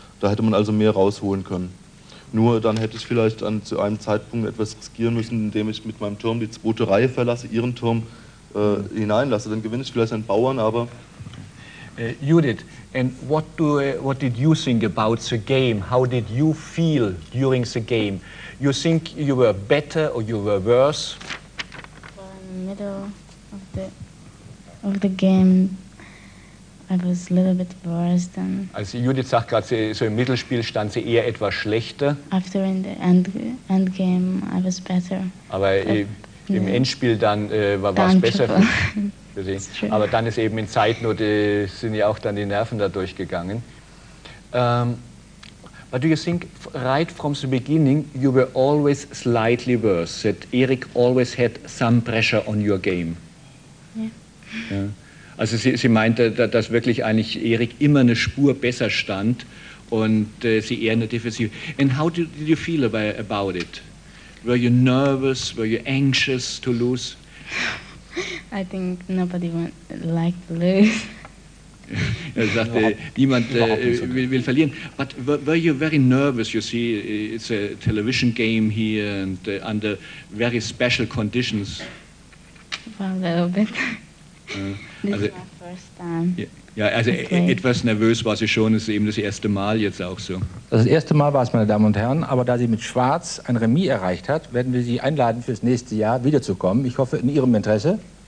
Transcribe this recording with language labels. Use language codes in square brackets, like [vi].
[de] Da hätte man also mehr rausholen können. Nur dann hätte ich vielleicht zu einem Zeitpunkt etwas riskieren müssen, indem ich mit meinem Turm die zweite Reihe verlasse, ihren Turm hineinlasse. Dann gewinne ich vielleicht einen Bauern, aber... [en] Judith, and what did you think about the game? How did you feel during the game? You think you were better or you were worse? In the middle of the game, I was a little bit worse than... [de] Also Judith sagt gerade, so im Mittelspiel stand sie eher etwas schlechter. [en] After in the end game, I was better. [de] Aber im Endspiel dann war es besser für sie. Aber dann ist eben in Zeitnot, sind ja auch dann die Nerven da durchgegangen. [en] But do you think, right from the beginning, you were always slightly worse, that Eric always had some pressure on your game? Yeah. [de] Also sie meinte, dass wirklich eigentlich Eric immer eine Spur besser stand und sie eher eine Defensive. [en] And how did you feel about it? Were you nervous? Were you anxious to lose? I think nobody liked to lose. [de] Er sagte, niemand will verlieren. [en] But were you very nervous? You see, it's a television game here and under very special conditions. Well, a little bit. This is my first time. [de] Etwas nervös war sie schon, ist eben das erste Mal jetzt auch so. Das erste Mal war es, meine Damen und Herren, aber da sie mit Schwarz ein Remis erreicht hat, werden wir sie einladen, fürs nächste Jahr wiederzukommen. Ich hoffe, in ihrem Interesse.